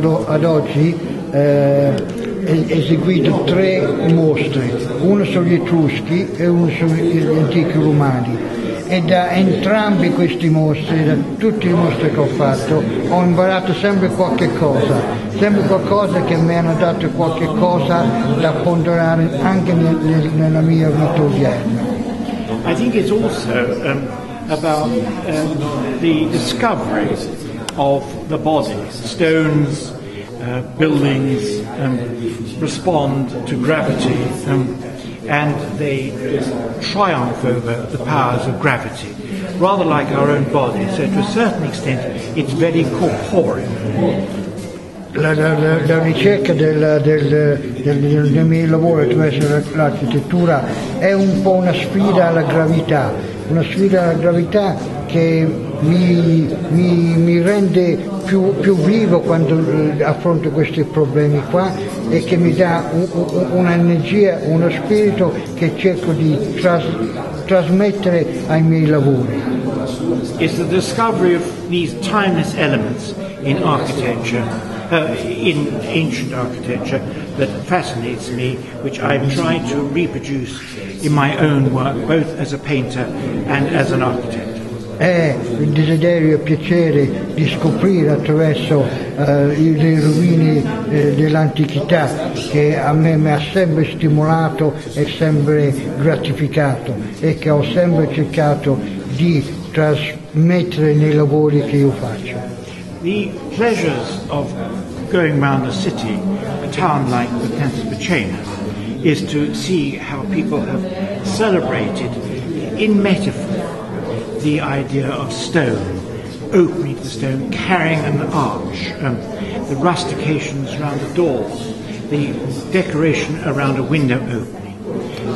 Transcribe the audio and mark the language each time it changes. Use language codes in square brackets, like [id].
[it] Ad oggi eseguito tre mostre, una sugli Etruschi e una sugli antichi Romani. E da entrambi questi mostri, da tutte le mostre che ho fatto, ho imparato sempre qualcosa che mi hanno dato qualche cosa da ponderare anche nella mia vita odierna. [en] I think it's also about the discovery of the body. Stones, buildings respond to gravity. And they triumph over the powers of gravity, rather like our own body. So to a certain extent it's very corporeal. [it] La ricerca del mio lavoro attraverso l'architettura è un po' una sfida alla gravità, una sfida alla gravità che mi rende più vivo quando affronto questi problemi qua, e che mi dà un'energia, uno spirito che cerco di trasmettere ai miei lavori. [en] It's the discovery of these timeless elements in architecture, in ancient architecture, that fascinates me, which I've tried to reproduce in my own work, both as a painter and as an architect. [it] È il desiderio e il piacere di scoprire attraverso le rovine dell'antichità, che a me mi ha sempre stimolato e sempre gratificato, e che ho sempre cercato di trasmettere nei lavori che io faccio. [en] The pleasures of going around a city, a town like the Pennsylvania, is to see how people have celebrated in metaphor the idea of stone, opening the stone, carrying an arch, the rustications around the door, the decoration around a window opening.